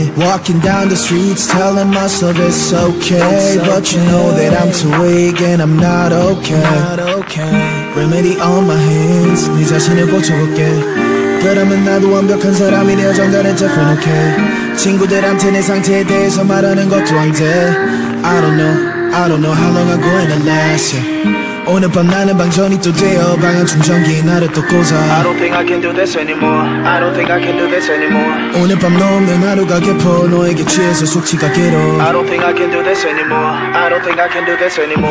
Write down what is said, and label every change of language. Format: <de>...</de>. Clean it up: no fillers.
<en>Walking down the streets telling myself it's okay, but you know that I'm too weak and I'm not okay, not okay. Remedy on my hands,</en> <ko>네 자신을 고쳐볼게. 그러면 나도 완벽한 사람이 되어 정단을 접근, okay. 친구들한테 내 상태에 대해서 말하는 것도 안 돼.</ko> <en>I don't know how long I'm going to last, yeah.</en> <ko>오늘 밤 나는 방전이 또 되어 방안 충전기 나를 또 꽂아.</ko> <en>I don't think I can do this anymore, I don't think I can do this anymore.</en> <ko>오늘 밤 넘는 하루가 깊어 너에게 취해서 숙취가 길어.</ko> <en>I don't think I can do this anymore, I don't think I can do this anymore.</en>